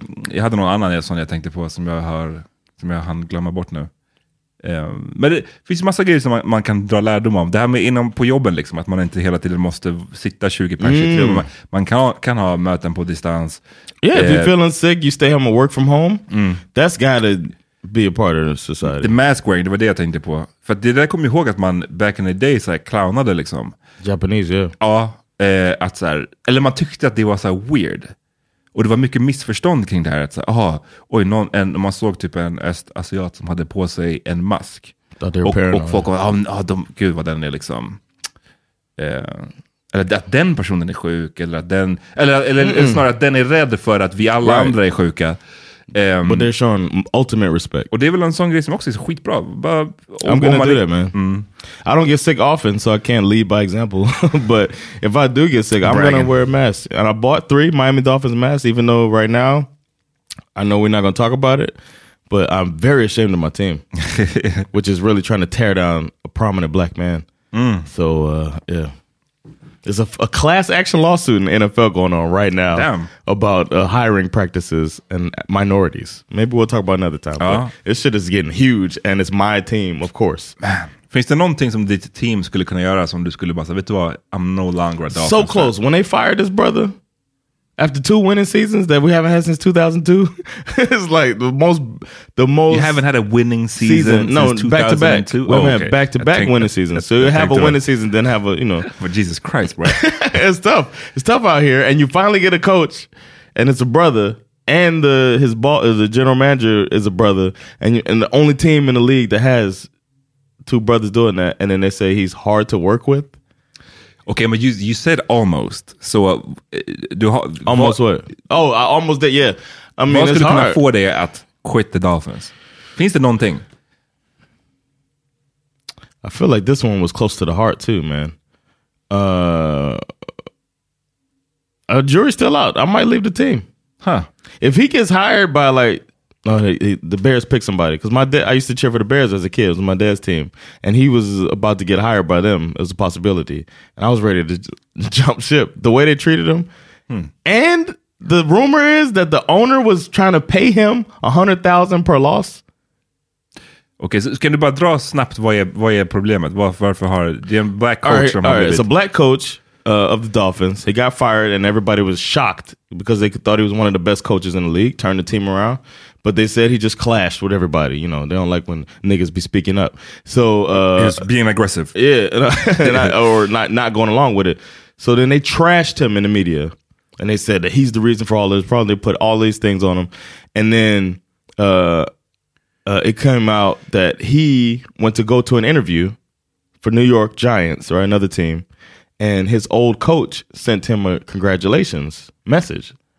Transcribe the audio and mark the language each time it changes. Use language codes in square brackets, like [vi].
[sv] Jag hade någon annan sån jag tänkte på som jag hann glömma bort nu. Men det finns massa grejer som man kan dra lärdom av. Det här med inom på jobben liksom, att man inte hela tiden måste sitta 20 personer. Mm. Man kan ha möten på distans. [en] Yeah, if you're feeling sick, you stay home and work from home. That's gotta be a part of the society. The mask wearing, [sv] det var det jag tänkte på. För det där kom jag ihåg att man [en] back in the day [sv] så här, clownade liksom. [en] Japanese, yeah. [sv] Ja, att så här, eller man tyckte att det var så här weird. Och det var mycket missförstånd kring det här. Att så här, oj, man såg typ en östasiat som hade på sig en mask. Och folk var, gud vad den är liksom. Eller att den personen är sjuk. Eller snarare att den är rädd för att vi alla andra är sjuka. [en] But they're showing ultimate respect. [sv] Och det är väl en sån grej som också är skitbra. [en] I'm gonna do that, man. I don't get sick often, so I can't lead by example. But if I do get sick, I'm gonna wear a mask. And I bought 3 Miami Dolphins masks, even though right now I know we're not gonna talk about it, but I'm very ashamed of my team, which is really trying to tear down a prominent black man. So yeah, there's a class action lawsuit in the NFL going on right now. Damn. About hiring practices and minorities. Maybe we'll talk about another time. Uh-huh. But this shit is getting huge, and it's my team, of course. Man. [sv] Finns det någonting som ditt team skulle kunna göra som du skulle bara säga, vet du vad, [en] I'm no longer a Dolphins. So close. When they fired this brother, after 2 winning seasons that we haven't had since 2002, it's like the most... You haven't had a winning season since 2002? No, back-to-back. Back-to-back winning seasons. So you have a winning season, then have a, you know... But Jesus Christ, bro. It's tough. It's tough out here. And you finally get a coach, and it's a brother, and the general manager is a brother, and the only team in the league that has 2 brothers doing that, and then they say he's hard to work with. Okay, but you said almost. So almost what? Oh, I almost did. Yeah, I mean, it's hard. [sv] Kunna få dig att [en] quit the Dolphins. [sv] Finns det någonting? [en] I feel like this one was close to the heart too, man. Jury's still out. I might leave the team, huh? If he gets hired by like the Bears, pick somebody, because my dad, I used to cheer for the Bears as a kid. It was my dad's team, and he was about to get hired by them as a possibility, and I was ready to jump ship the way they treated him. And the rumor is that the owner was trying to pay him $100,000 per loss. Okay, so can you [sv] bara dra snabbt vad är problemet? Varför har det en black coach? [en] All right, it's a black coach of the Dolphins. He got fired, and everybody was shocked because they thought he was one of the best coaches in the league, turned the team around. But they said he just clashed with everybody. You know, they don't like when niggas be speaking up. So he's being aggressive. Yeah, or not going along with it. So then they trashed him in the media, and they said that he's the reason for all this problem. They put all these things on him, and then it came out that he went to go to an interview for New York Giants, or another team, and his old coach sent him a congratulations message.